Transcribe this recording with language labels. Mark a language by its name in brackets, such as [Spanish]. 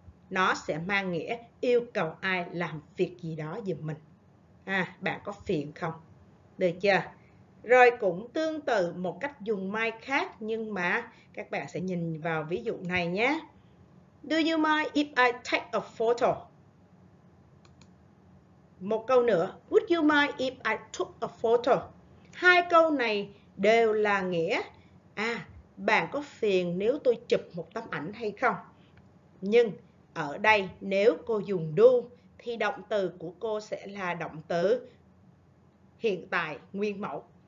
[Vietnamese] Nó sẽ mang nghĩa yêu cầu ai làm việc gì đó giùm mình. Bạn có phiền không? Được chưa? Rồi cũng tương tự một cách dùng mind khác, nhưng mà các bạn sẽ nhìn vào ví dụ này nhé. [English] Do you mind if I take a photo? [Vietnamese] Một câu nữa, [English] would you mind if I took a photo? [Vietnamese] Hai câu này đều là nghĩa bạn có phiền nếu tôi chụp một tấm ảnh hay không? Nhưng ở đây nếu cô dùng do thì động từ của cô sẽ là động từ hiện tại nguyên mẫu.